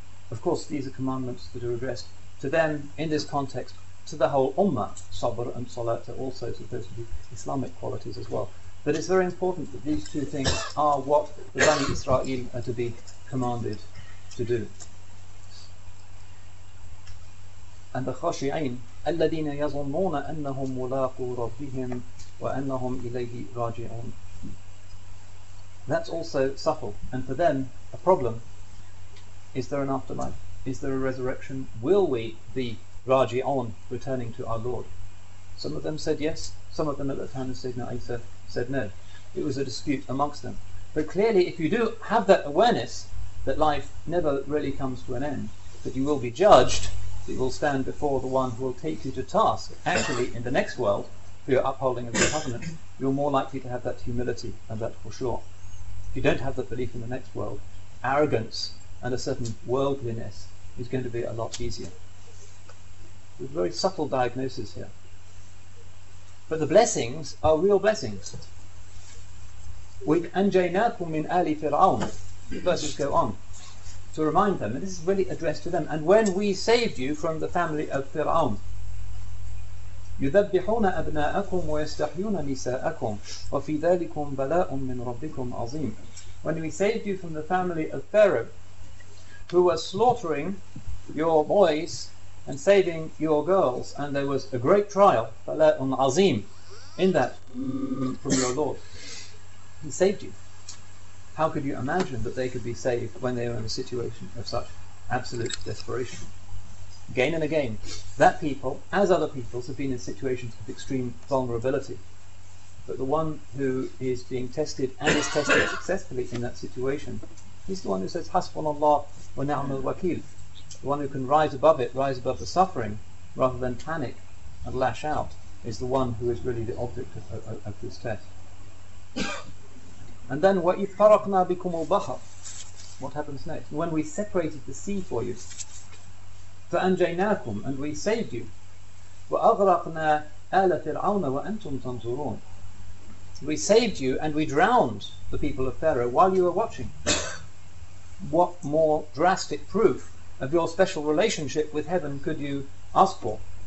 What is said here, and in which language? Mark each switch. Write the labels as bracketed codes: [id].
[en] Of course, these are commandments that are addressed to them in this context, to the whole Ummah. Sabr and Salat are also supposed to be Islamic qualities as well. But it's very important that these two things are what the Bani Israel are to be commanded to do. And the khashi'in, [ar] الَّذِينَ يَظُنُّونَ أَنَّهُمْ مُلَاقُوا رَبِّهِمْ وَأَنَّهُمْ إِلَيْهِ رَاجِعُونَ. [en] That's also subtle. And for them, a problem, is there an afterlife? Is there a resurrection? Will we be raji'un, returning to our Lord? Some of them said yes, some of them at the time of Sayyidina Isa said no. It was a dispute amongst them. But clearly, if you do have that awareness, that life never really comes to an end, that you will be judged, that you will stand before the one who will take you to task, actually in the next world, for your upholding of the covenant, you're more likely to have that humility and that for sure. If you don't have that belief in the next world, arrogance and a certain worldliness is going to be a lot easier. There's a very subtle diagnosis here. But the blessings are real blessings. With [ar] أَنْجَيْنَاكُمْ مِنْ آلِ فِرْعَوْنِ. [en] The verses go on to remind them, and this is really addressed to them. And when we saved you from the family of Fir'aun, [ar] يُذَبِّحُونَ أَبْنَاءَكُمْ وَيَسْتَحْيُونَ نِسَاءَكُمْ وَفِي ذَلِكُمْ بَلَاءٌ مِّن رَبِّكُمْ عَظِيمٌ. [en] When we saved you from the family of Pharaoh, who were slaughtering your boys and saving your girls, and there was a great trial, [ar] بَلَاءٌ عَظِيمٌ, [en] in that from your Lord, he saved you. How could you imagine that they could be saved when they were in a situation of such absolute desperation? Again and again, that people, as other peoples, have been in situations of extreme vulnerability. But the one who is being tested and is tested successfully in that situation, he's the one who says, [ar] Hasbunallah wa ni'mal wakil. [en] The one who can rise above it, rise above the suffering, rather than panic and lash out, is the one who is really the object of this test. And then, [ar] وَإِذْ فَرَقْنَا بِكُمُ الْبَحَرَ. [en] What happens next? When we separated the sea for you, [ar] فَأَنْجَيْنَاكُمْ, [en] and we saved you, [ar] وَأَغْرَقْنَا آلَ فِرْعَوْنَ وَأَنْتُمْ تَنْظُرُونَ. [en] we saved you and we drowned the people of Pharaoh while you were watching. What more drastic proof of your special relationship with heaven could you ask for?